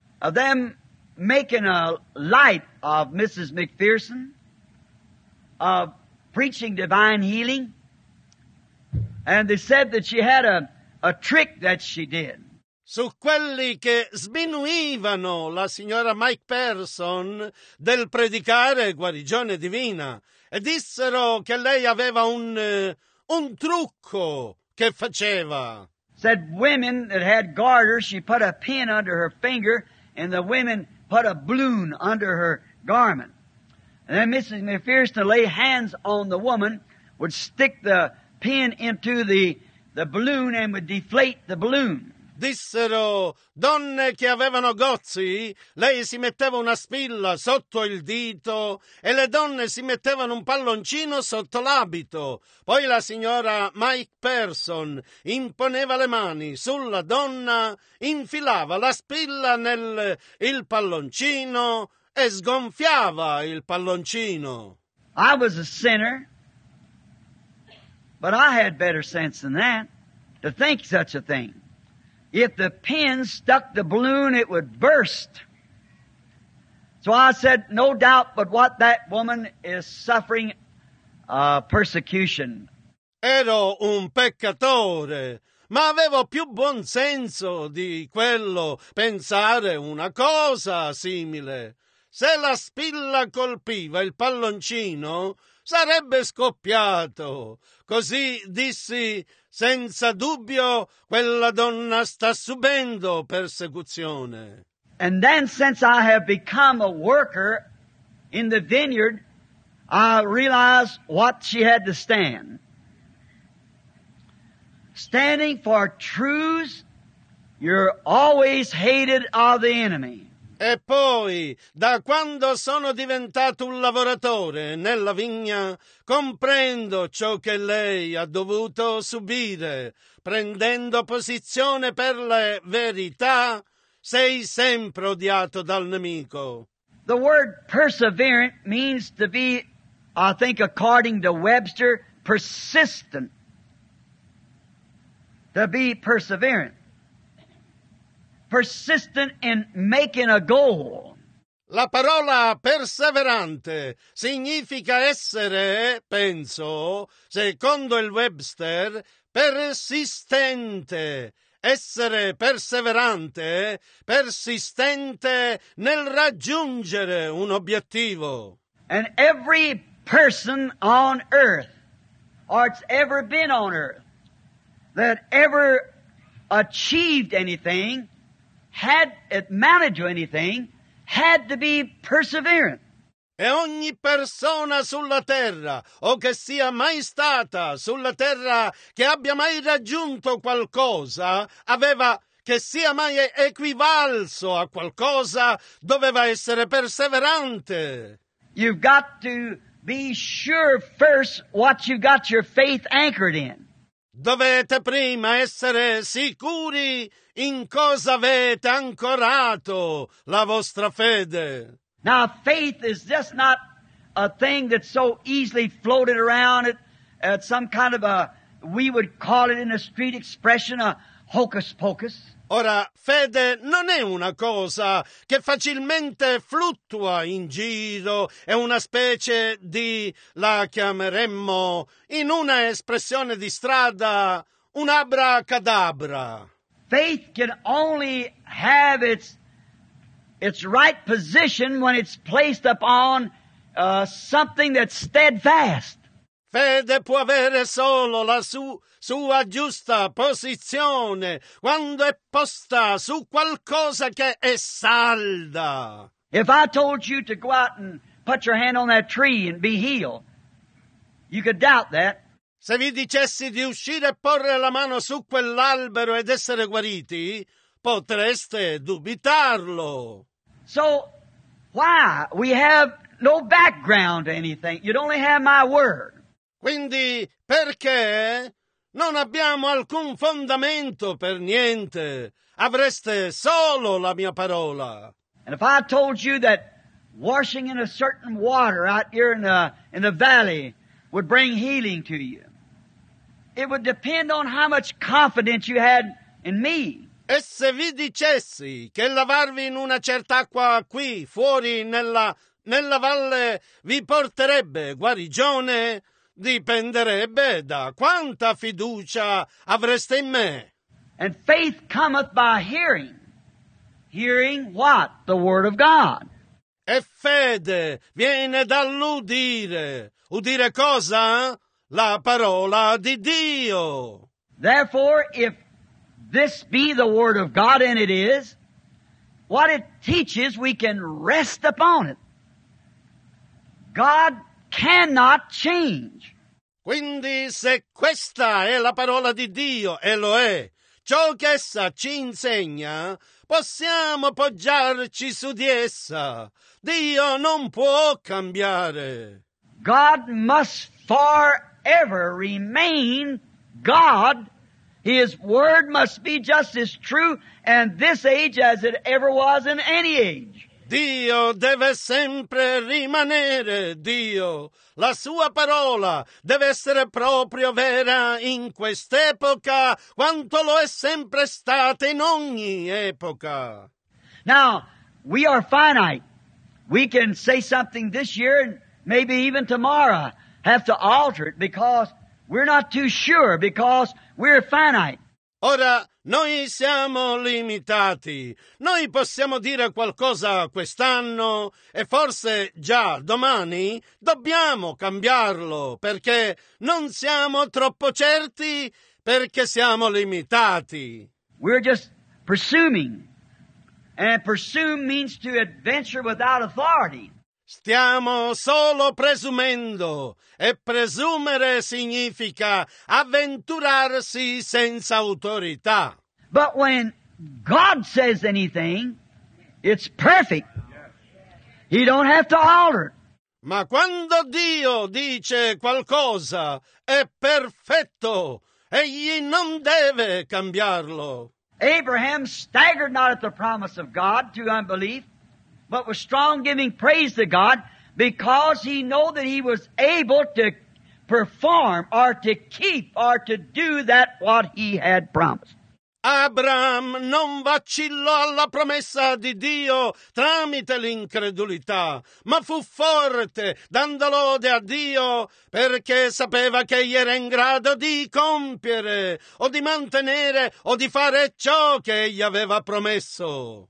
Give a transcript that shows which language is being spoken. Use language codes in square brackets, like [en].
[en] Of them making a light of Mrs. McPherson, of preaching divine healing, and they said that she had a trick that she did. [it] Su quelli che sminuivano la signora McPherson del predicare guarigione divina, e dissero che lei aveva un trucco che faceva. [en] Said women that had garters, she put a pin under her finger, and the women put a balloon under her garment. And then Mrs. McPherson to lay hands on the woman would stick the pin into the balloon and would deflate the balloon. [it] Dissero, donne che avevano gozzi, lei si metteva una spilla sotto il dito e le donne si mettevano un palloncino sotto l'abito. Poi la signora McPherson imponeva le mani sulla donna, infilava la spilla nel il palloncino e sgonfiava il palloncino. [en] I was a sinner, but I had better sense than that to think such a thing. If the pin stuck the balloon, it would burst. So I said, no doubt but what that woman is suffering persecution. [it] Ero un peccatore, ma avevo più buon senso di quello pensare una cosa simile. Se la spilla colpiva il palloncino, sarebbe scoppiato. Così dissi, senza dubbio, quella donna sta subendo persecuzione. [en] And then, since I have become a worker in the vineyard, I realized what she had to stand. standing for truth, you're always hated of the enemy. [it] E poi, da quando sono diventato un lavoratore nella vigna, comprendo ciò che lei ha dovuto subire. Prendendo posizione per la verità, sei sempre odiato dal nemico. [en] The word perseverant means to be, I think according to Webster, persistent. To be perseverant. Persistent in making a goal. [it] La parola perseverante significa essere, penso, secondo il Webster, persistente. Essere perseverante, persistente nel raggiungere un obiettivo. [en] And every person on earth, or it's ever been on earth, that ever achieved anything, had it managed anything, had to be perseverant. [it] E ogni persona sulla terra, o che sia mai stata sulla terra, che abbia mai raggiunto qualcosa, aveva, che sia mai equivalso a qualcosa, doveva essere perseverante. [en] You've got to be sure first what you've got your faith anchored in. [it] Dovete prima essere sicuri in cosa avete ancorato la vostra fede. [en] Now, faith is just not a thing that's so easily floated around at some kind of a, we would call it in a street expression, a hocus pocus. [it] Ora, fede non è una cosa che facilmente fluttua in giro, è una specie di, la chiameremmo in una espressione di strada, un abracadabra. [en] Faith can only have its right position when it's placed upon something that's steadfast. [it] Fede può avere solo la sua giusta posizione quando è posta su qualcosa che è salda. [en] If I told you to go out and put your hand on that tree and be healed, you could doubt that. [it] Se vi dicessi di uscire e porre la mano su quell'albero ed essere guariti, potreste dubitarlo. [en] So, why? We have no background to anything. You'd only have my word. [it] Quindi, perché non abbiamo alcun fondamento per niente? Avreste solo la mia parola. [en] And if I told you that washing in a certain water out here in the valley would bring healing to you, it would depend on how much confidence you had in me. [it] E se vi dicessi che lavarvi in una certa acqua qui, fuori, nella valle, vi porterebbe guarigione, dipenderebbe da quanta fiducia avreste in me. [en] And faith cometh by hearing. Hearing what? The Word of God. [it] E fede viene dall'udire. Udire cosa? La parola di Dio. [en] Therefore, if this be the Word of God, and it is, what it teaches, we can rest upon it. God cannot change. [it] Quindi, se questa è la parola di Dio, e lo è, ciò che essa ci insegna, possiamo poggiarci su di essa. Dio non può cambiare. [en] God must forever remain God. His word must be just as true in this age as it ever was in any age. [it] Dio deve sempre rimanere Dio. La sua parola deve essere proprio vera in quest'epoca, quanto lo è sempre stata in ogni epoca. [en] Now, we are finite. We can say something this year and maybe even tomorrow have to alter it because we're not too sure because we're finite. [it] Ora, noi siamo limitati. Noi possiamo dire qualcosa quest'anno e forse già domani dobbiamo cambiarlo perché non siamo troppo certi perché siamo limitati. [en] We're just presuming. And presume means to adventure without authority. [it] Stiamo solo presumendo, e presumere significa avventurarsi senza autorità. [en] But when God says anything, it's perfect. He don't have to alter. [it] Ma quando Dio dice qualcosa, è perfetto. Egli non deve cambiarlo. [en] Abraham staggered not at the promise of God to unbelief, but was strong giving praise to God because he knew that he was able to perform or to keep or to do that what he had promised. [it] Abraham non vacillò alla promessa di Dio tramite l'incredulità, ma fu forte dando lode a Dio perché sapeva che egli era in grado di compiere o di mantenere o di fare ciò che egli aveva promesso.